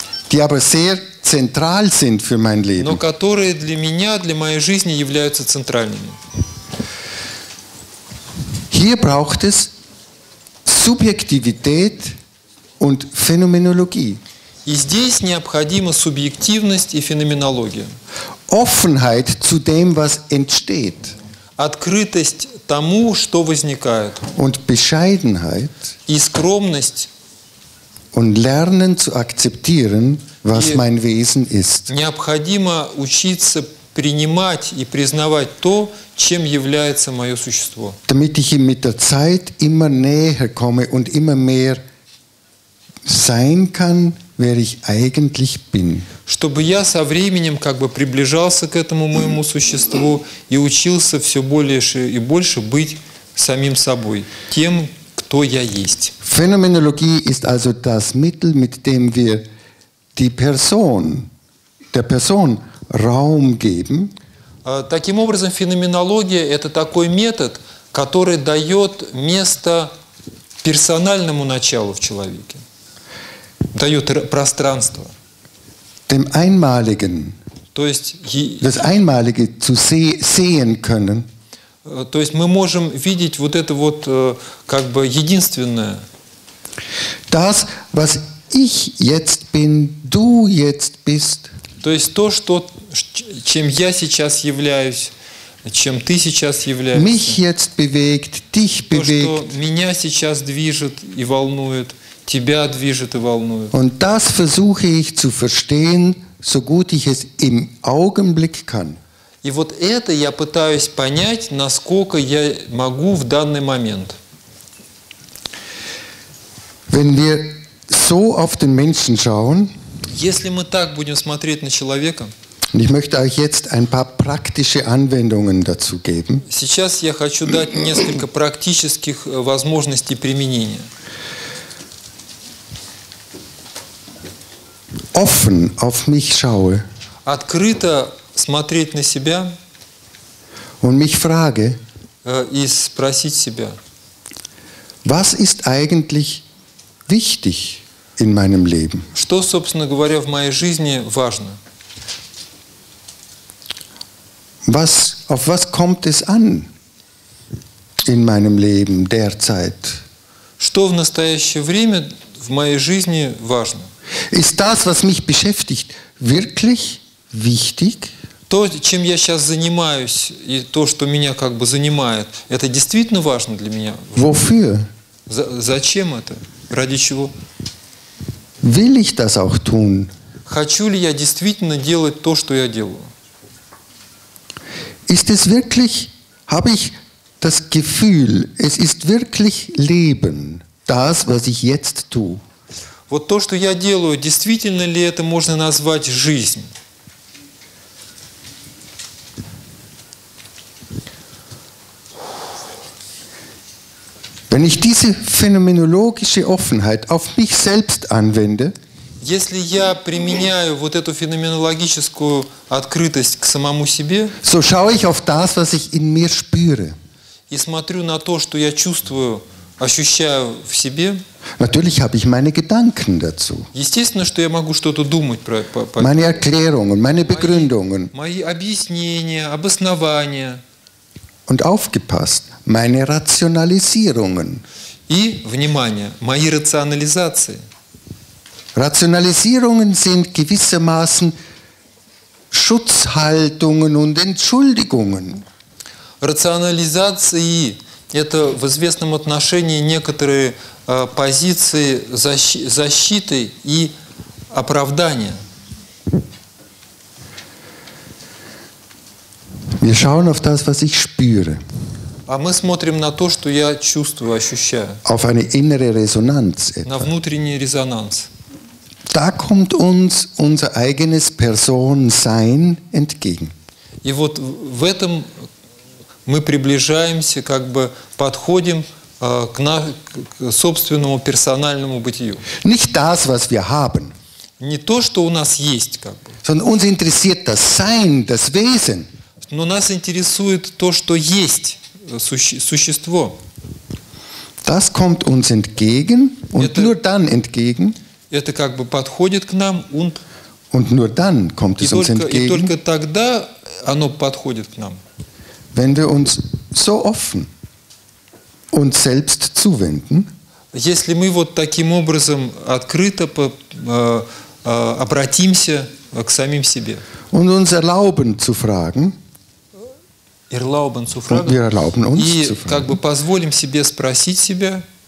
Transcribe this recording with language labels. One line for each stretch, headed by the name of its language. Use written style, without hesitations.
German: Die aber sehr zentral sind für mein Leben.
Russian: Но которые для меня, для моей жизни являются центральными.
German: Hier braucht es Subjektivität und Phänomenologie.
Russian: И здесь необходима субъективность и феноменология.
German: Offenheit zu dem, was entsteht.
Russian: Открытость тому, что возникает.
German: Und Bescheidenheit.
Russian: И скромность.
German: Und lernen zu akzeptieren, was mein Wesen ist.
Russian: Необходимо учиться принимать и признавать то, чем является мое существо.
German: Damit ich ihm mit der Zeit immer näher komme und immer mehr sein kann, wer ich eigentlich bin.
Russian: Чтобы я со временем как бы приближался к этому моему существу и учился все больше и больше быть самим собой, тем, кто я есть.
German: Phänomenologie ist also das Mittel, mit dem wir die Person, der Person Raum geben.
Russian: Таким образом, феноменология – это такой метод, который дает место персональному началу в человеке. Дает пространство.
German: Dem einmaligen,
Russian: то есть,
German: das einmalige zu sehen können.
Russian: То есть мы можем видеть вот это вот как бы единственное.
German: Das, was ich jetzt bin, du jetzt bist.
Russian: То есть то, что, чем я сейчас являюсь, чем ты сейчас являешься.
German: Mich jetzt bewegt, dich
Russian: то,
German: bewegt.
Russian: Что меня сейчас движет и волнует. Тебя движет и волнует.
German: Und das versuche ich zu verstehen, so gut ich es im Augenblick kann.
Russian: И вот это я пытаюсь понять, насколько я могу в данный момент.
German: Wenn wir so auf den Menschen schauen,
Russian: если мы так будем смотреть на человека,
German: ich möchte euch jetzt ein paar praktische Anwendungen dazu geben.
Russian: Сейчас я хочу дать несколько практических возможностей применения.
German: Offen auf mich schaue.
Russian: Открыто смотреть на себя.
German: Und mich frage.
Russian: И спросить себя.
German: Was ist eigentlich wichtig in meinem Leben?
Russian: Что, собственно говоря, в моей жизни важно?
German: Was, auf was kommt es an in meinem Leben derzeit?
Russian: Что в настоящее время в моей жизни важно?
German: Ist das, was mich beschäftigt, wirklich wichtig?
Russian: То, чем я сейчас занимаюсь, и то, что меня как бы занимает, это действительно важно для меня?
German: Wofür?
Russian: Зачем это? Ради чего?
German: Will ich das auch tun?
Russian: хочу ли я действительно делать то, что я делаю?
German: Ist es wirklich, habe ich das Gefühl, es ist wirklich Leben, das, was ich jetzt tue?
Russian: Вот то, что я делаю, действительно ли это можно назвать жизнь?
German: Wenn ich diese phänomenologische Offenheit auf mich selbst anwende,
Russian: если я применяю вот эту феноменологическую открытость к самому себе,
German: so schaue ich auf das, was ich in mir spüre.
Russian: И смотрю на то, что я чувствую, ощущаю в себе.
German: Natürlich habe ich meine Gedanken dazu.
Russian: Естественно, что я могу что-то думать про.
German: Meine Erklärungen, meine Begründungen.
Russian: Мои объяснения, обоснования.
German: Und aufgepasst, meine Rationalisierungen.
Russian: И, внимание, мои рационализации.
German: Rationalisierungen sind gewissermaßen Schutzhaltungen und Entschuldigungen.
Russian: Рационализации – это в известном отношении некоторые позиции защиты и оправдания.
German: Wir schauen auf das, was ich spüre.
Russian: А мы смотрим на то, что я чувствую, ощущаю.
German: Auf eine innere Resonanz etwa.
Russian: На внутренний резонанс.
German: Da kommt uns unser eigenes Personsein entgegen.
Russian: И вот в этом мы приближаемся, как бы подходим к собственному персональному бытию.
German: Nicht das, was wir haben.
Russian: Не то, что у нас есть, как бы.
German: Sondern uns interessiert das Sein, das Wesen.
Russian: Но нас интересует то, что есть существо.
German: Das kommt uns entgegen und
Russian: это,
German: nur dann entgegen.
Russian: Это как бы подходит к нам
German: und. Und nur dann kommt es uns entgegen.
Russian: И только тогда оно подходит к нам.
German: Wenn wir uns so offen uns selbst zuwenden.
Russian: Если мы вот таким образом открыто обратимся к самим себе.
German: Und uns erlauben zu fragen. Erlauben zu fragen. Und wir erlauben uns
Russian: и
German: zu fragen.
Russian: Как бы позволим себе спросить себя.